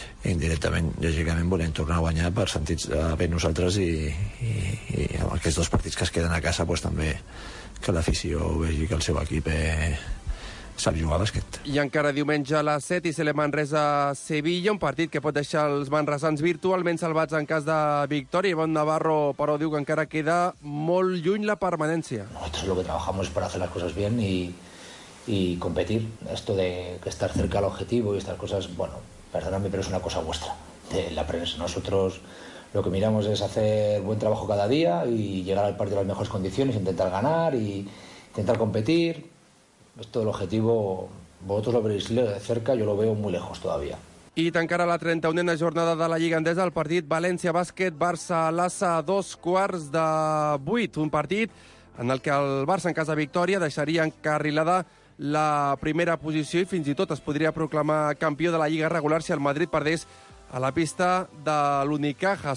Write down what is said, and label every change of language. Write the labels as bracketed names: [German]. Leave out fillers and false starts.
[Catalan] Indirectament, lògicament, volem tornar a guanyar per sentir-nos bé nosaltres i amb aquests dos partits que es queden a casa, pues, també que l'afició vegi que el seu equip sap jugar a bàsquet. I encara diumenge a les 7 i se le Manresa Sevilla, un partit que pot deixar els manresans virtualment salvats en cas de victòria. Ivonne Navarro, però, diu que encara queda molt lluny la permanència. [Spanish] Nosotros lo que trabajamos es para hacer las cosas bien y competir. Esto de que estar cerca al objetivo y estas cosas, bueno, perdóname, pero es una cosa vuestra, de la prensa. Nosotros lo que miramos es hacer buen trabajo cada día y llegar al partido en las mejores condiciones, intentar ganar y intentar competir. Esto del objetivo, vosotros lo veréis de cerca, yo lo veo muy lejos todavía. [Catalan] I tancarà la 31a jornada de la Lliga Endesa, el partit València-Bàsquet-Barça-Lassa, 2:15. Un partit en el que el Barça, en cas de victòria, deixaria encarrilada la primera posició i fins i tot es podria proclamar campió de la Lliga regular si el Madrid perdés a la pista de l'Unicaja.